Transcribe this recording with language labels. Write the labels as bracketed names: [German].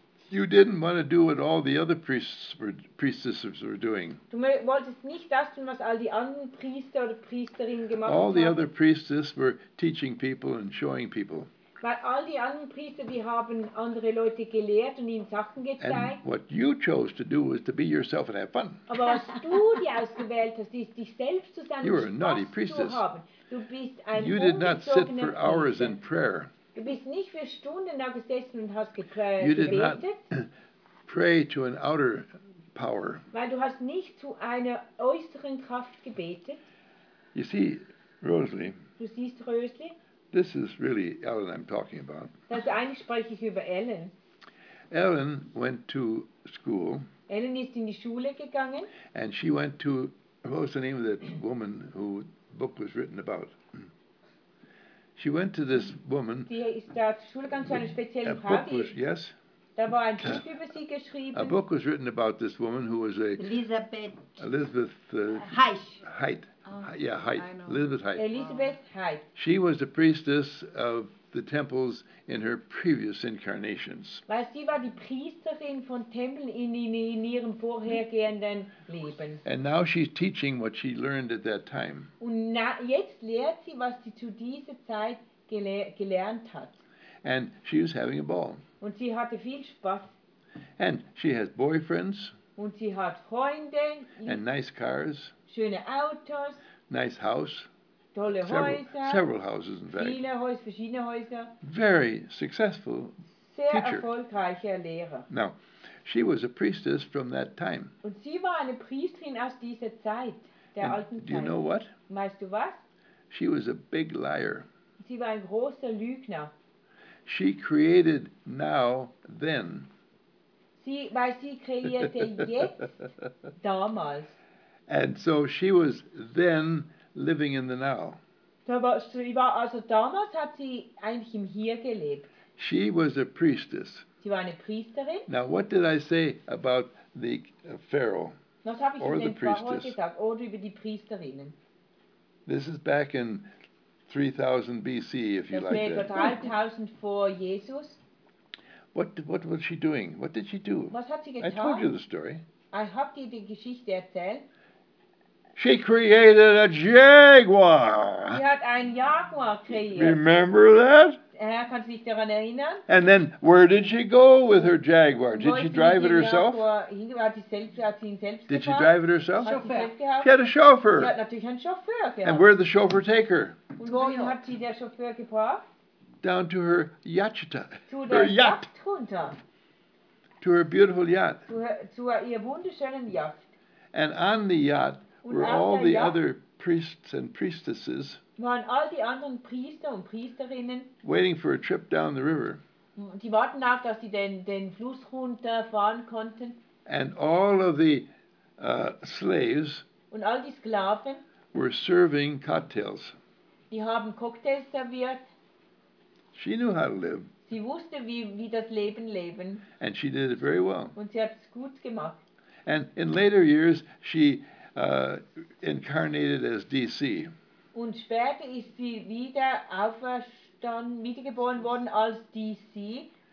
[English] You didn't want to do what all the other priestesses were doing. [German] Du wolltest nicht das tun, was all die anderen Priester oder Priesterinnen gemacht haben. [English] All the other priestesses were teaching people and showing people. [German] Weil all die anderen Priester, die haben andere Leute gelehrt und ihnen Sachen gezeigt. [English] And what you chose to do was to be yourself and have fun. [German] Aber was du dir ausgewählt hast, ist dich selbst zu sein. [English] You were a naughty priestess. [German] Du bist ein [English] You did not sit for hours in prayer. [German] Du bist nicht für Stunden da gesessen und hast gebetet. [English] You did not pray to an outer power. [German] Weil du hast nicht zu einer äußeren Kraft gebetet. [English] You see, Rosalie. [German] Du siehst, Rosalie. [English] This is really Ellen I'm talking about. [German] Also eigentlich spreche ich über Ellen. [English] Ellen went to school. [German] Ellen ist in die Schule gegangen. [English] And she went to, what was the name of that woman who the book was written about? She went to this woman. [German] Die ist da zur Schule gegangen, zu einer speziellen Frau. [English] Yes? [German] Da war ein Buch über sie geschrieben. [English] A book was written about this woman who was a... Elizabeth... Heisch. Heit. Elizabeth Hyde. Elizabeth Hyde. She was the priestess of the temples in her previous incarnations. [German] Weil sie war die Priesterin von Tempeln in ihrem vorhergehenden Leben. [English] And now she's teaching what she learned at that time. [German] Und jetzt lehrt sie, was sie zu dieser Zeit gelernt hat. [English] And she was having a ball. [German] Und sie hatte viel Spaß. [English] And she has boyfriends. [German] Und sie hat Freunde. [English] And nice cars. [German] Schöne Autos. [English] Nice house. [German] Tolle Häuser. [English] Several houses, in fact. [German] Viele Häuser, verschiedene Häuser. [English] Very successful [German] Sehr [English] teacher. [German] Erfolgreicher Lehrer. [English] Now, she was a priestess from that time. [German] Und sie war eine Priesterin aus dieser Zeit, der [English] And [German] alten Zeit. [English] Do you know what? [German] Weißt du was? [English] She was a big liar. [German] Sie war ein großer Lügner. [English] She created now, then. [German] Sie kreierte jetzt, damals. [English] And so she was then living in the now. [German] Also damals hat sie eigentlich im Hier gelebt. [English] She was a priestess. [German] Sie war eine Priesterin. [English] Now what did I say about the Pharaoh? [German] Was habe ich über den Pharao gesagt? Oder über die Priesterinnen? [English] This is back in 3000 BC, if you [German] das [English] like that. [German] 3000 vor Jesus. [English] What was she doing? What did she do? [German] Was hat sie getan? [English] I told you the story. [German] Ich habe dir die Geschichte erzählt. [English] She created a jaguar. [German] Sie hat einen Jaguar kreiert. [English] Remember that? [German] Kannst du dich daran erinnern? [English] And then, where did she go with her jaguar? Did she drive it herself? Did she drive it herself? She had a chauffeur. [German] Sie hat natürlich einen Chauffeur gehabt. [English] And where did the chauffeur take her? [German] Und wohin hat sie der Chauffeur gebracht? [English] Down to her yacht. Her yacht. [German] Runter. [English] To her beautiful yacht. [German] Zu ihr wunderschönen Yacht. [English] And on the yacht, were all the other priests and priestesses [German] waren all die anderen Priester und Priesterinnen [English] waiting for a trip down the river. [German] Die warten auf, dass sie den Fluss runterfahren konnten. [English] And all of the slaves [German] und all die Sklaven [English] were serving cocktails. [German] Die haben Cocktails serviert. [English] She knew how to live. [German] Sie wusste, wie das Leben leben. [English] And she did it very well. [German] Und sie hat es gut gemacht. [English] And in later years, she incarnated as DC. [German] Und später ist sie wieder auferstanden, wiedergeboren worden als DC.